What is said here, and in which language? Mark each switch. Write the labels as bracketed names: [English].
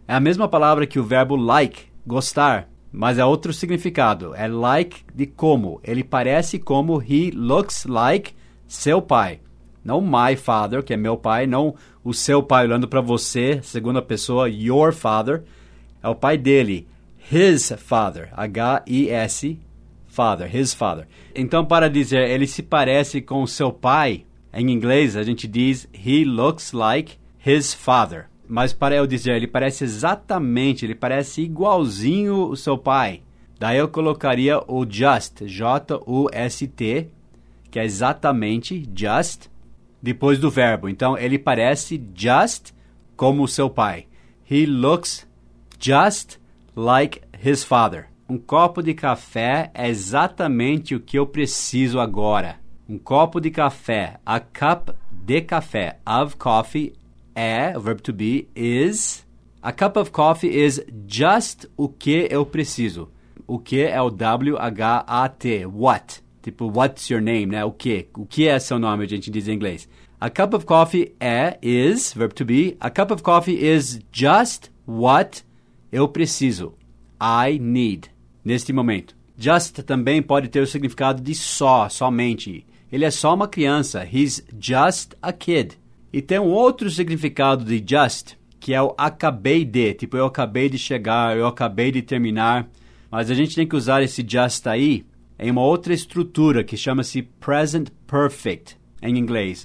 [Portuguese] É a mesma palavra que o verbo like, gostar, mas é outro significado. É like de como. Ele parece como, [English] he looks like [Portuguese] seu pai. Não [English] my father, [Portuguese] que é meu pai, não o seu pai olhando para você, segunda pessoa, [English] your father. [Portuguese] É o pai dele, [English] his father, H-I-S, father, his father. [Portuguese] Então, para dizer ele se parece com seu pai, em inglês a gente diz [English] he looks like his father. [Portuguese] Mas para eu dizer ele parece exatamente, ele parece igualzinho o seu pai, daí eu colocaria o just, J-U-S-T, que é exatamente just, depois do verbo. Então, ele parece just como o seu pai. [English] He looks just like his father. [Portuguese] Um copo de café é exatamente o que eu preciso agora. Um copo de café, [English] a cup [Portuguese] de café, [English] of coffee, [Portuguese] é, o verbo to be, is. [English] A cup of coffee is just [Portuguese] o que eu preciso. O que é o W-H-A-T, what. Tipo, [English] what's your name, [Portuguese] né? O que? O que é seu nome, a gente diz em inglês. [English] A cup of coffee é, is, verb to be. A cup of coffee is just what [Portuguese] eu preciso. [English] I need, [Portuguese] neste momento. Just também pode ter o significado de só, somente. Ele é só uma criança. [English] He's just a kid. [Portuguese] E tem um outro significado de just, que é o acabei de. Tipo, eu acabei de chegar, eu acabei de terminar. Mas a gente tem que usar esse just aí em uma outra estrutura que chama-se present perfect em inglês.